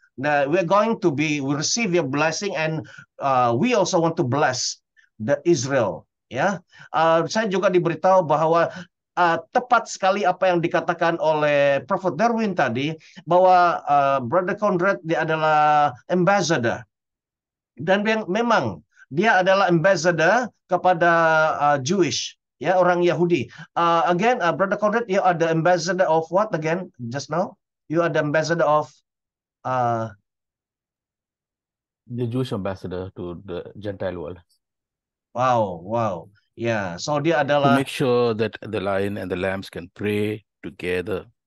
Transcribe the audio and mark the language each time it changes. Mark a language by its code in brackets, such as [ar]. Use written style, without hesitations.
[en] Now we're going to be we receive your blessing, and we also want to bless the Israel. [id] Ya, saya juga diberitahu bahwa tepat sekali apa yang dikatakan oleh Prophet Darwin tadi, bahwa Brother Conrad dia adalah ambassador, dan memang dia adalah ambassador kepada Jewish, ya, orang Yahudi. [en] Again, Brother Conrad, you are the ambassador of what again? Just now, you are the ambassador of the Jewish ambassador to the Gentile world. Wow. Yeah. So [id] dia adalah [en] to make sure that the lion and the lambs can pray together.